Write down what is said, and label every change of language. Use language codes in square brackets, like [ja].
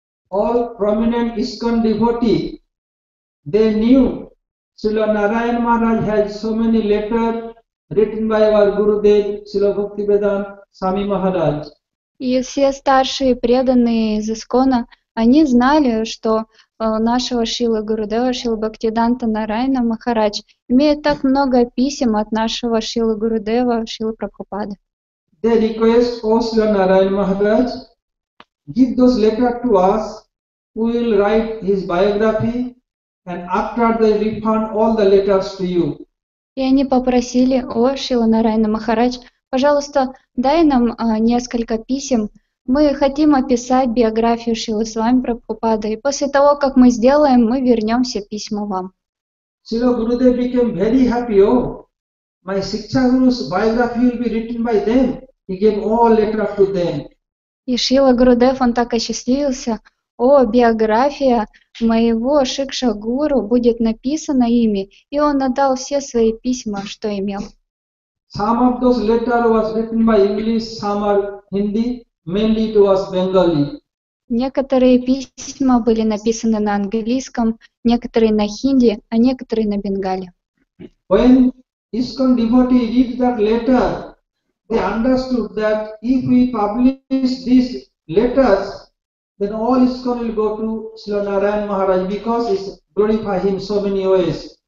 [en] All prominent ISKCON devotees, they knew Srila Narayan Maharaj had so many letters written by our Gurudev, Srila Bhaktivedanta Swami Maharaj. [ru] И все старшие преданные из ISKCON-а, они знали, что нашего Шрилы Гурудева, Шрилы Бхактиданта Нарайана Махарадж, имеет так много писем от нашего Шрилы Гурудева, Шрилы Прабхупады. [en] They request, O Srila Narayana Maharaj, give those letters to us, we will write his biography, and after they refund all the letters to you. [ru] И они попросили: «О, Шрила Нарайана Махарадж, пожалуйста, дай нам несколько писем. Мы хотим описать биографию Шрилы Свами Прабхупады, и после того, как мы сделаем, мы вернем все письма вам». [en] Srila Gurudev became very happy. Oh, my Shiksha Guru's biography will be written by them. He gave all letter to them. [ru] И Шрила Гурудев, он так осчастливился. О, биография моего Шикша-гуру будет написана ими. И он отдал все свои письма, что имел. [en] Some of those letters was written by English, some are Hindi, mainly it was Bengali. [ru] Некоторые письма были написаны на английском, некоторые на хинди, а некоторые на бенгали. [en] When ISKCON devotee read that letter, they understood that if we publish these letters, then all ISKCON will go to Srila Narayan Maharaj because it glorify him so many ways.